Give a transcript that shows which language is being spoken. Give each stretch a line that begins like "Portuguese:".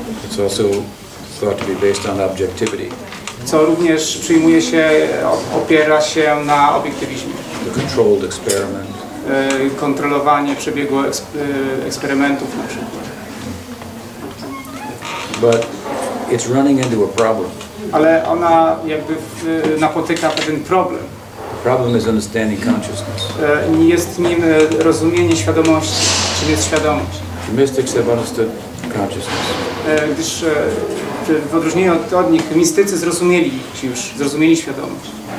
English: It's also thought to be based on objectivity.
Polish: Co również przyjmuje się, opiera się na obiektywizmie.
English: The controlled experiment.
Polish: Kontrolowanie przebiegu eksperymentów na przykład.
English: But it's running into a problem.
Polish: Ale ona jakby napotyka pewien problem.
English: The problem is understanding consciousness.
Polish: Jest nim rozumienie świadomości, czyli jest świadomość.
English: The mystics have understood consciousness.
Polish: Gdyż w odróżnieniu od nich mistycy zrozumieli świadomość.